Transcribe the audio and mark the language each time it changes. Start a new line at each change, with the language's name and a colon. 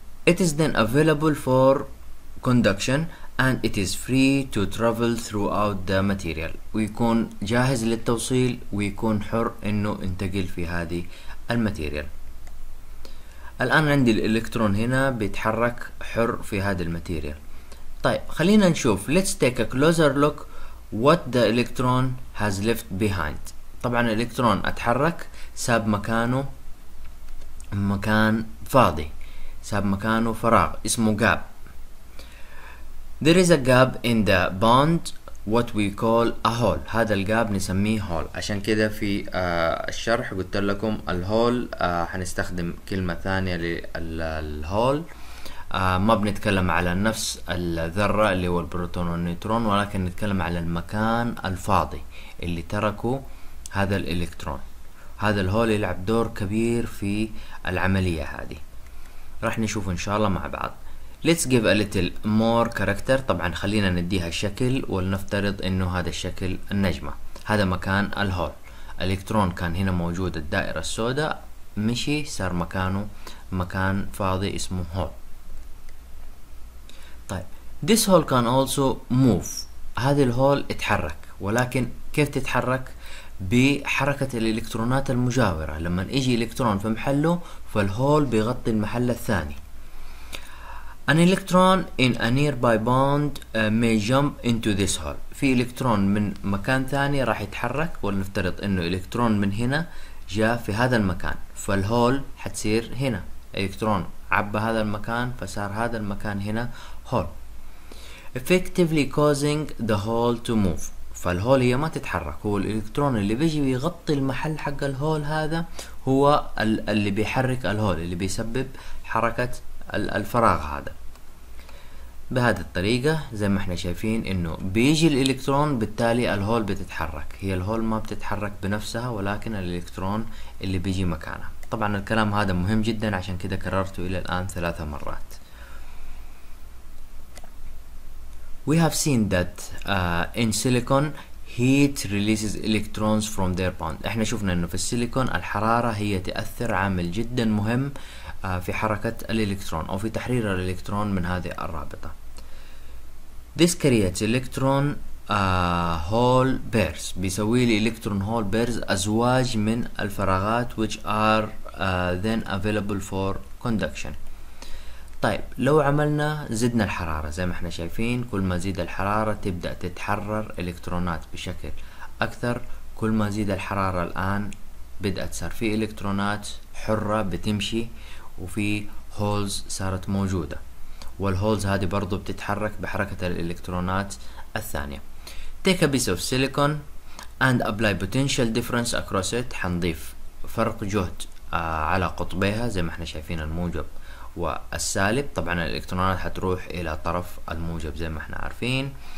English: It is then available for conduction، and it is free to travel throughout the material،
Arabic: ويكون جاهز للتوصيل ويكون حر انه انتقل في هذه الماتيريال. الان عندي الالكترون هنا بيتحرك حر في هذا الماتيريال. طيب خلينا نشوف،
English: let's take a closer look what the electron has left behind.
Arabic: طبعا الالكترون اتحرك، ساب مكانه مكان فاضي، ساب مكانه فراغ اسمه gap.
English: There is a gap in the bond, what we call a hole.
Arabic: هذا الجاب نسميه هول، عشان كده في الشرح قلت لكم الهول، حنستخدم كلمة ثانية للهول. ما بنتكلم على نفس الذرة اللي هو البروتون والنيوترون، ولكن نتكلم على المكان الفاضي اللي تركه هذا الإلكترون. هذا الهول يلعب دور كبير في العملية هذه، راح نشوف إن شاء الله مع بعض.
English: Let's give a little more character.
Arabic: طبعا خلينا نديها شكل، ولنفترض انه هذا الشكل النجمة، هذا مكان الهول. الالكترون كان هنا موجود، الدائرة السوداء مشي، صار مكانه مكان فاضي اسمه هول.
English: طيب this hole can also move.
Arabic: هذا الهول اتحرك، ولكن كيف تتحرك؟ بحركة الالكترونات المجاورة. لما يجي الالكترون في محله فالهول بيغطي المحل الثاني.
English: An electron in a nearby bond may jump into this hole.
Arabic: في إلكترون من مكان ثاني راح يتحرك، ولنفترض إنه إلكترون من هنا جاء في هذا المكان، فالهول حتصير هنا. إلكترون عبى هذا المكان فصار هذا المكان هنا hole.
English: Effectively causing the hole to move.
Arabic: فالهول هي ما تتحرك، هو الإلكترون اللي بيجي بيغطي المحل حق الهول، هذا هو اللي بيحرك الهول، اللي بيسبب حركة الفراغ هذا. بهذه الطريقة زي ما احنا شايفين انه بيجي الالكترون، بالتالي الهول بتتحرك. هي الهول ما بتتحرك بنفسها، ولكن الالكترون اللي بيجي مكانها. طبعا الكلام هذا مهم جدا، عشان كده كررته الى الان 3 مرات.
English: We have seen that in silicon heat releases electrons from their bond.
Arabic: احنا شفنا انه في السيليكون الحرارة هي تأثر عامل جدا مهم في حركة الإلكترون أو في تحرير الإلكترون من هذه الرابطة.
English: This creates electron hole pairs.
Arabic: بيسوي لي
English: electron hole pairs،
Arabic: أزواج من الفراغات،
English: which are then available for conduction.
Arabic: طيب لو عملنا زدنا الحرارة، زي ما احنا شايفين كل ما زيد الحرارة تبدأ تتحرر إلكترونات بشكل أكثر. كل ما زيد الحرارة الآن بدأت صار في إلكترونات حرة بتمشي، وفي هولز صارت موجودة، والهولز هذه برضو بتتحرك بحركة الإلكترونات الثانية.
English: Take a piece of silicon and apply potential difference across it.
Arabic: حنضيف فرق جهد على قطبيها، زي ما احنا شايفين الموجب والسالب. طبعا الإلكترونات هتروح إلى طرف الموجب زي ما احنا عارفين.